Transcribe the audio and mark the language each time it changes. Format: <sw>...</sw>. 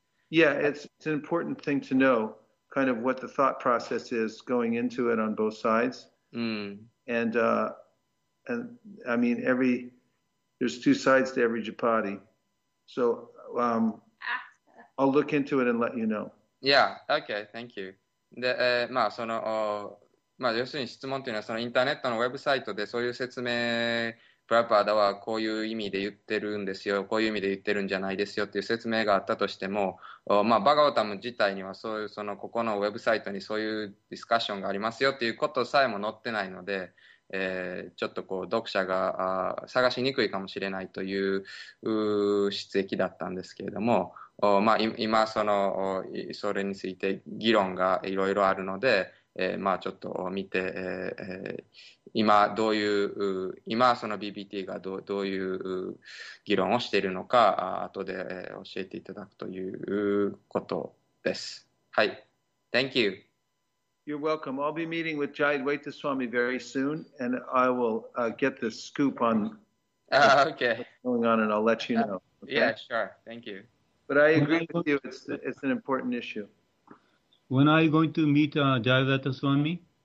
<en>Yeah, it's an important thing to know kind of what the thought process is going into it on both sides. And I mean, there's two sides to every japati. So I'll look into it and let you know. Yeah, okay, thank you.</en> <ja>で、まあ、その、まあ、要するに質問というのは、そのインターネットのウェブサイトでそういう説明、プラパーダはこういう意味で言ってるんですよ、こういう意味で言ってるんじゃないですよっていう説明があったとしても、まあ、バガヴァタム自体にはそういう、その、ここのウェブサイトにそういうディスカッションがありますよっていうことさえも載ってないので、ちょっとこう読者が探しにくいかもしれないという質疑だったんですけれども、まあ、今それについて議論がいろいろあるので、まあ、ちょっと見て、今どういう今その BBT がどういう議論をしているのか後で教えていただくということです。</ja> <en>はい、 Thank you You're welcome. I'll be meeting with Jai Dwaita Swami very soon, and I will get the scoop on what's going on, and I'll let you know. Okay? Yeah, sure. Thank you. But I agree with you. It's an important issue. When are you going to meet Jai Dwaita Swami?</en>